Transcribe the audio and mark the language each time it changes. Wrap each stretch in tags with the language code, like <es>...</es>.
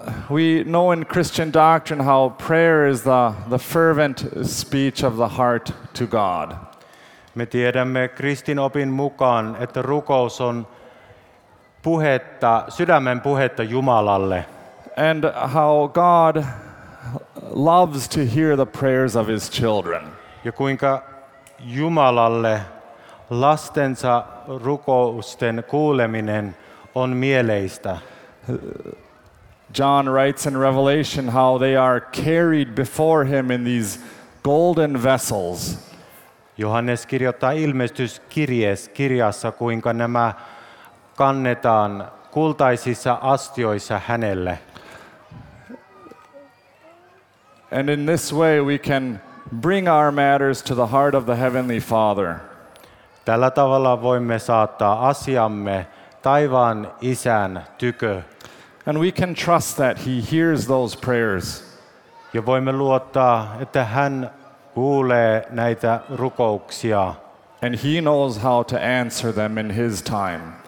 <en>We know in Christian doctrine how prayer is the fervent speech of the heart to God.</en> <fi>Me tiedämme kristinopin mukaan, että rukous on puhetta, sydämen puhetta Jumalalle.</fi> <en>And how God loves to hear the prayers of his children.</en> <fi>Ja kuinka Jumalalle lastensa rukousten kuuleminen on mieleistä.</fi> <en>John writes in Revelation how they are carried before him in these golden vessels.</en> <fi>Johannes kirjoittaa ilmestyskirjassa, kuinka nämä kannetaan kultaisissa astioissa hänelle.</fi> <en>And in this way we can bring our matters to the heart of the Heavenly Father.</en> <fi>Tällä tavalla voimme saattaa asiamme taivaan isän tykö.</fi> <en>And we can trust that he hears those prayers.</en> <fi>Ja voimme luottaa, että hän kuulee näitä rukouksia.</fi> <en>And he knows how to answer them in his time.</en>